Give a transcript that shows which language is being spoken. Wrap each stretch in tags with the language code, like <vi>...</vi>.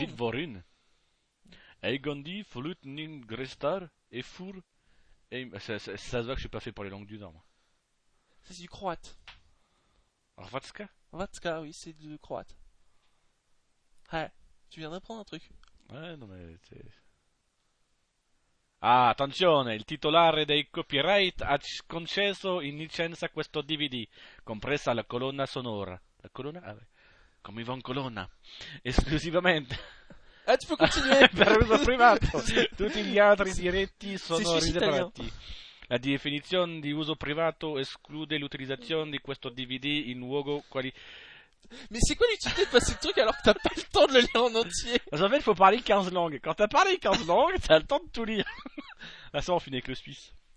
<is>Vidvorin. Eigandi, Flutning, Grestar, Efur.</is> <fr>Ça se voit que je suis pas fait pour les langues du Nord, moi. C'est du croate.</fr> <hr>Hrvatska.</hr> <fr>Hrvatska, oui, c'est du croate. Ouais. Tu viens d'apprendre un truc. Ouais, non mais c'est...</fr> <it>Ah, attenzione, il titolare dei copyright ha concesso in licenza questo DVD, compresa la colonna sonora. La colonna? Ah, beh. Come Ivan Colonna. Esclusivamente.</it> <fr>Tu peux continuer.</fr> <it>Per uso privato. Tutti gli altri diritti sono riservati. La definizione di uso privato esclude l'utilizzazione di questo DVD in luogo quali...</it> <fr>Mais c'est quoi l'utilité de passer le truc alors que t'as pas le temps de le lire en entier? En fait, il faut parler 15 langues. Quand t'as parlé 15 langues, t'as le temps de tout lire. Là, ça, on finit avec le Suisse.</fr>